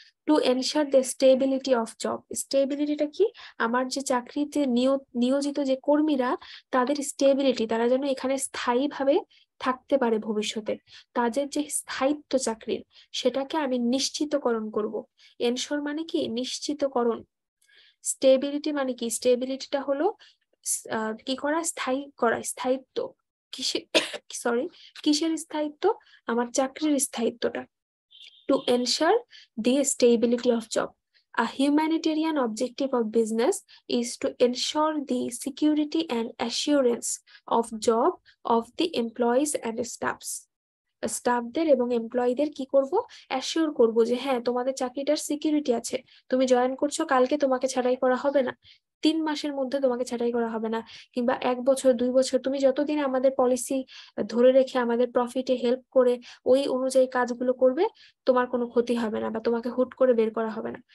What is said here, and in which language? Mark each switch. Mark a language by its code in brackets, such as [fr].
[en] to ensure the stability of job, [bn] স্টেবিলিটিটা কি? আমার যে চাকরিতে নিয়োজিত যে কর্মীরা তাদের স্টেবিলিটি, তারা যেন এখানে স্থায়ী ভাবে থাকতে পারে ভবিষ্যতে, তাদের যে স্থায়িত্ব চাকরির সেটাকে আমি নিশ্চিতকরণ করব। এনশোর মানে কি? নিশ্চিতকরণ। স্টেবিলিটি মানে কি? স্টেবিলিটিটা হলো কি করা, স্থায়ী করা, স্থায়িত্ব কিসের, সরি, কিসের স্থায়িত্ব? আমার চাকরির স্থায়িত্বটা। [en] To ensure the stability of job, a humanitarian objective of business is to ensure the security and assurance of job of the employees and staffs. [bn] স্টাফদের এবং এমপ্লয়ীদের কি করব, অ্যাসিওর করব যে হ্যাঁ তোমাদের চাকরিটার সিকিউরিটি আছে, তুমি জয়েন করছো কালকে তোমাকে ছাঁটাই করা হবে না, 3 মাসের মধ্যে তোমাকে ছাঁটাই করা হবে না, কিংবা 1 বছর 2 বছর, তুমি যতদিন আমাদের পলিসি ধরে রেখে আমাদের প্রফিটে হেল্প করে ওই অনুযায়ী কাজগুলো করবে তোমার কোনো ক্ষতি হবে না বা তোমাকে হুট করে বের করা হবে না।